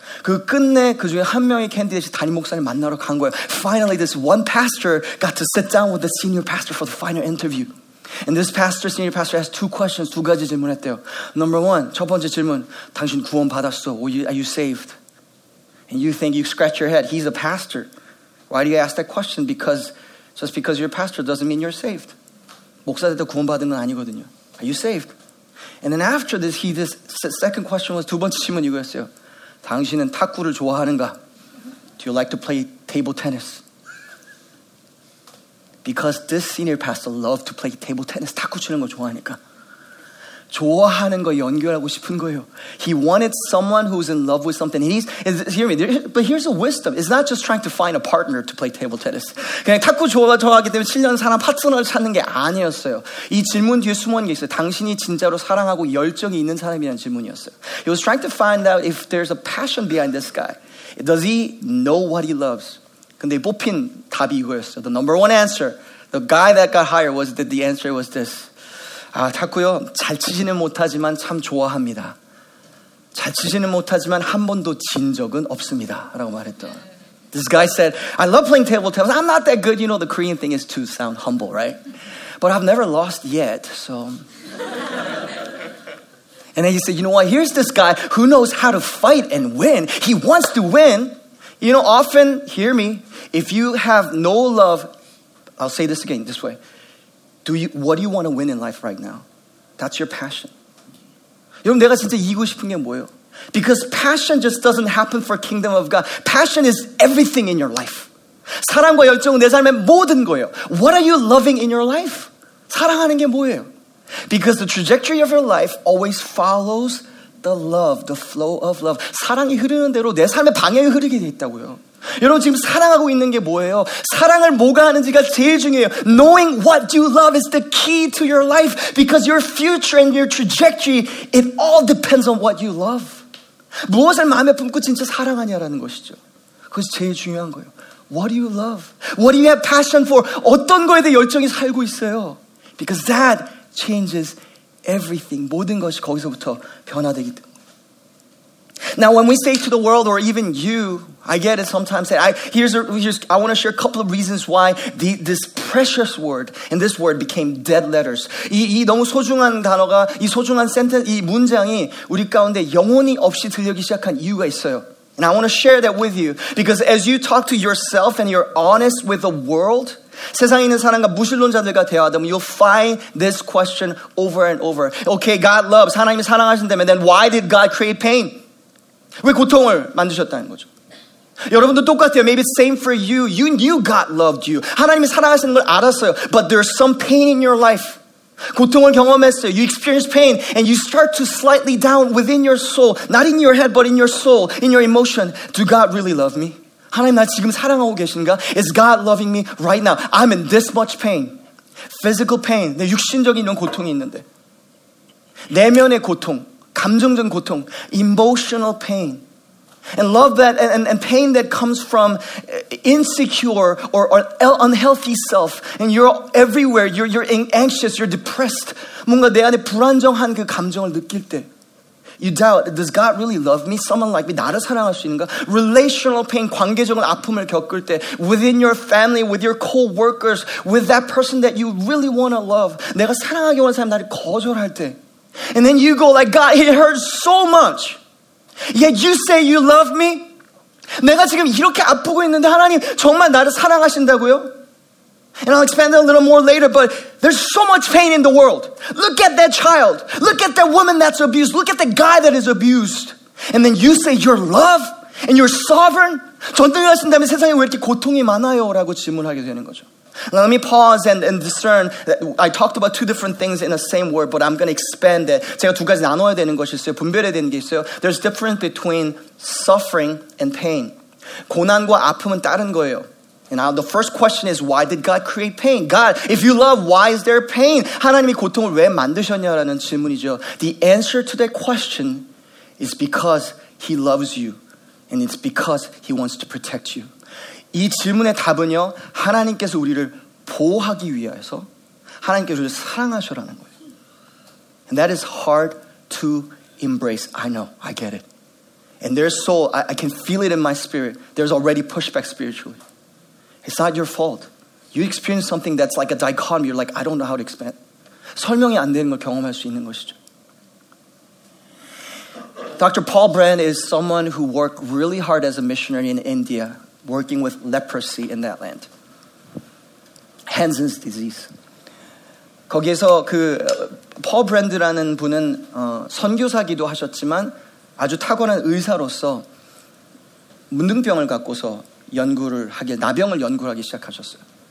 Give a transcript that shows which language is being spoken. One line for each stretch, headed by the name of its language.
Korean: 그 끝내 그 중에 한 명의 캔디데이 담임 목사님 만나러 간 거예요.
English: Finally, this one pastor got to sit down with the senior pastor for the final interview. And this pastor, senior pastor, asked two questions,
Korean: 두 가지 질문했대요.
English: Number one,
Korean: 첫 번째 질문, 당신 구원 받았어?
English: Are you saved? And you think you scratch your head. He's a pastor. Why do you ask that question? Because just because you're a pastor doesn't mean you're saved.
Korean: 목사들도 구원 받은 건 아니거든요.
English: Are you saved? And then after this, second question was,
Korean: 두 번째 질문 이거였어요. 당신은 탁구를 좋아하는가?
English: Do you like to play table tennis? Because this senior pastor loved to play table tennis.
Korean: 탁구 치는 거 좋아하니까. 좋아하는 거 연결하고 싶은 거예요.
English: He wanted someone who's in love with something. But here's the wisdom. It's not just trying to find a partner to play table tennis.
Korean: 그냥 탁구 좋아하기 때문에 7년 사람 파트너를 찾는 게 아니었어요. 이 질문 뒤에 숨어있는 게 있어요. 당신이 진짜로 사랑하고 열정이 있는 사람이라는 질문이었어요.
English: He was trying to find out if there's a passion behind this guy. Does he know what he loves?
Korean: 근데 뽑힌 답이 이거였어요.
English: The number one answer, the guy that got hired, was that the answer was this.
Korean: 아, 탁구요. 잘 치지는 못하지만 참 좋아합니다. 잘 치지는 못하지만 한 번도 진 적은 없습니다. 라고 말했던.
English: This guy said, I love playing table tennis. I'm not that good. You know, the Korean thing is to sound humble, right? But I've never lost yet, so. And then he said, you know what? Here's this guy who knows how to fight and win. He wants to win. You know, often, hear me, if you have no love, I'll say this again, this way. What do you want to win in life right now? That's your passion.
Korean: 여러분, 내가 진짜 이기고 싶은 게 뭐예요?
English: Because passion just doesn't happen for kingdom of God. Passion is everything in your life.
Korean: 사랑과 열정은 내 삶의 모든 거예요.
English: What are you loving in your life?
Korean: 사랑하는 게 뭐예요?
English: Because the trajectory of your life always follows the love, the flow of love.
Korean: 사랑이 흐르는 대로 내 삶의 방향이 흐르게 돼 있다고요. 여러분 지금 사랑하고 있는 게 뭐예요? 사랑을 뭐가 하는지가 제일 중요해요.
English: Knowing what you love is the key to your life because your future and your trajectory, it all depends on what you love.
Korean: 무엇을 마음에 품고 진짜 사랑하냐라는 것이죠. 그것이 제일 중요한 거예요.
English: What do you love? What do you have passion for?
Korean: 어떤 거에 대해 열정이 살고 있어요?
English: Because that changes everything.
Korean: 모든 것이 거기서부터 변화되기 때문에.
English: Now, when we say to the world, or even you, I get it sometimes. I want to share a couple of reasons why this precious word and this word became dead letters.
Korean: 이 너무 소중한 단어가 이 소중한 sentence 이 문장이 우리 가운데 영혼이 없이 들리기 시작한 이유가 있어요.
English: And I want to share that with you because as you talk to yourself and you're honest with the world.
Korean: 세상에 있는 사람과 무신론자들과 대화하다면
English: you'll find this question over and over. Okay, God loves.
Korean: 하나님이 사랑하신다면
English: then why did God create pain?
Korean: 왜 고통을 만드셨다는 거죠? 여러분도 똑같아요.
English: Maybe it's same for you. You knew God loved you.
Korean: 하나님이 사랑하시는 걸 알았어요.
English: But there's some pain in your life.
Korean: 고통을 경험했어요.
English: You experience pain and you start to slightly down within your soul. Not in your head, but in your soul, in your emotion. Do God really love me?
Korean: 하나님 나 지금 사랑하고 계신가?
English: Is God loving me right now? I'm in this much pain. Physical pain.
Korean: 내 육신적인 이런 고통이 있는데. 내면의 고통. 감정적인 고통,
English: emotional pain, and love that and pain that comes from insecure or unhealthy self, and you're everywhere. You're anxious. You're depressed.
Korean: 뭔가 내 안에 불안정한 그 감정을 느낄 때,
English: you doubt, does God really love me? Someone like me,
Korean: 나를 사랑할 수 있는가?
English: Relational pain,
Korean: 관계적인 아픔을 겪을 때,
English: within your family, with your co-workers, with that person that you really want to love,
Korean: 내가 사랑하기 원하는 사람 나를 거절할 때.
English: And then you go like, God, it hurts so much. Yet you say you love me.
Korean: 내가 지금 이렇게 아프고 있는데 하나님 정말 나를 사랑하신다고요?
English: And I'll expand that a little more later, but there's so much pain in the world. Look at that child. Look at that woman that's abused. Look at the guy that is abused. And then you say you're love and you're sovereign.
Korean: 전등하신다면 세상에 왜 이렇게 고통이 많아요? 라고 질문하게 되는 거죠.
English: Now let me pause and discern. I talked about two different things in the same word, but I'm going to expand it.
Korean: 제가 두 가지 나눠야 되는 것이 있어요. 분별해야 되는 게 있어요.
English: There's difference between suffering and pain.
Korean: 고난과 아픔은 다른 거예요.
English: And now the first question is, why did God create pain? God, if you love, why is there pain?
Korean: 하나님이 고통을 왜 만드셨냐라는 질문이죠.
English: The answer to that question is because he loves you. And it's because he wants to protect you.
Korean: 이 질문의 답은요, 하나님께서 우리를 보호하기 위해서 하나님께서 우리를 사랑하셔라는 거예요.
English: And that is hard to embrace. I know, I get it. And their soul, I can feel it in my spirit. There's already pushback spiritually. It's not your fault. You experience something that's like a dichotomy. You're like, I don't know how to explain.
Korean: 설명이 안 되는 걸 경험할 수 있는 것이죠.
English: Dr. Paul Brand is someone who worked really hard as a missionary in India, working with leprosy in that land. Hansen's disease.
Korean: 거기에서 그 Paul Brand라는 분은 선교사기도 하셨지만 아주 탁월한 의사로서 문둥병을 갖고서 연구를 하기 나병을 연구하기 시작하셨어요.